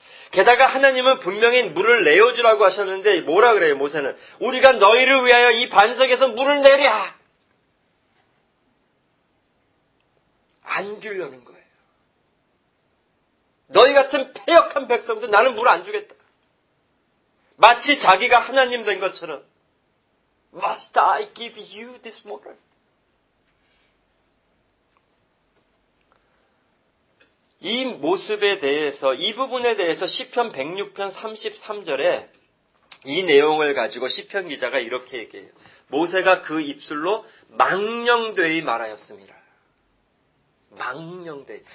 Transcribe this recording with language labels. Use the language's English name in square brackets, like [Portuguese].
[Korean] 게다가 하나님은 분명히 물을 내어주라고 하셨는데 뭐라 그래요 모세는? 우리가 너희를 위하여 이 반석에서 물을 내랴! 안 주려는 거예요. 너희 같은 패역한 백성들 나는 물 안 주겠다. 마치 자기가 하나님 된 것처럼 [English] Must I give you this water? [Korean] 이 모습에 대해서, 이 부분에 대해서 시편 106편 33절에 이 내용을 가지고 시편 기자가 이렇게 얘기해요. 모세가 그 입술로 망령되이 말하였습니다. 망령되이.